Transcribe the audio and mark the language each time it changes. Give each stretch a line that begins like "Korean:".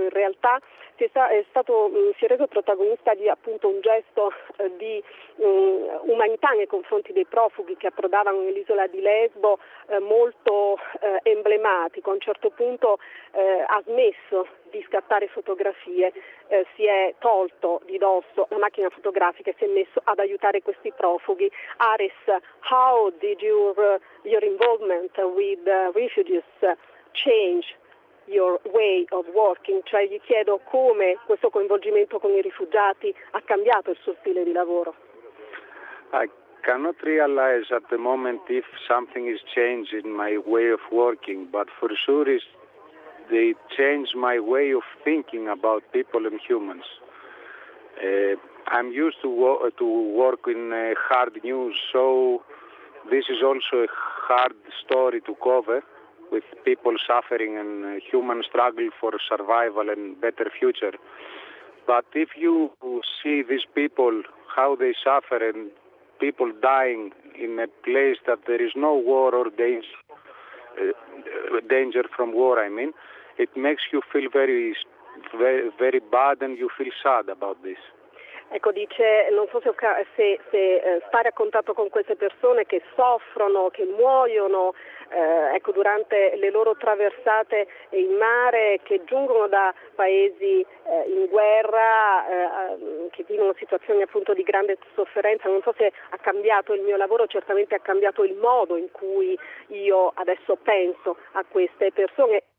Italian: In realtà si è reso protagonista di appunto un gesto di umanità nei confronti dei profughi che approdavano nell'isola di Lesbo, molto emblematico. A un certo punto ha smesso di scattare fotografie, si è tolto di dosso la macchina fotografica e si è messo ad aiutare questi profughi.
English: Aris, how did your involvement with refugees change your way of working?
Italian: Cioè, gli chiedo come questo coinvolgimento con i rifugiati ha cambiato il suo stile di lavoro.
English: I cannot realize at the moment if something is changed in my way of working, but for sure is they change my way of thinking about people and humans. I'm used to work in hard news, so this is also a hard story to cover, with people suffering and human struggle for survival and better future. But if you see these people, how they suffer, and people dying in a place that there is no war or danger from war, it makes you feel very, very bad and you feel sad about this.
Italian: Ecco, dice, non so se stare a contatto con queste persone che soffrono, che muoiono durante le loro traversate in mare, che giungono da paesi in guerra, che vivono situazioni appunto di grande sofferenza, non so se ha cambiato il mio lavoro, certamente ha cambiato il modo in cui io adesso penso a queste persone.